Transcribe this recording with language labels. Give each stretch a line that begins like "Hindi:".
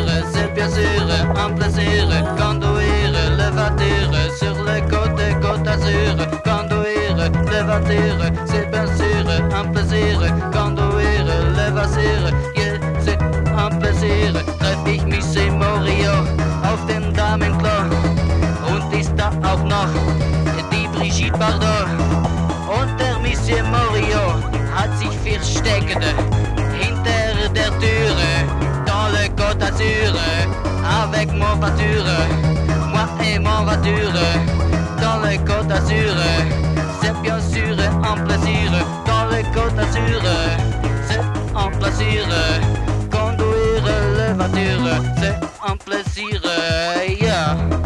French: C'est bien sûr un plaisir. Conduire le voiture sur les côtes Côte d'Azur. Conduire le voiture, c'est bien sûr un plaisir. Conduire le voiture, yeah, c'est un plaisir.
German: Treffe ich mich im Morio auf dem Damenklo. Und ist da auch noch die Brigitte Bardot. Und der Monsieur Morio hat sich versteckt hinter der Tür.
French: Côte d'Azur, avec mon voiture, moi et mon voiture, dans le Côte d'Azur, c'est bien sûr un plaisir, dans le Côte d'Azur, c'est un plaisir, conduire le voiture, c'est un plaisir, yeah.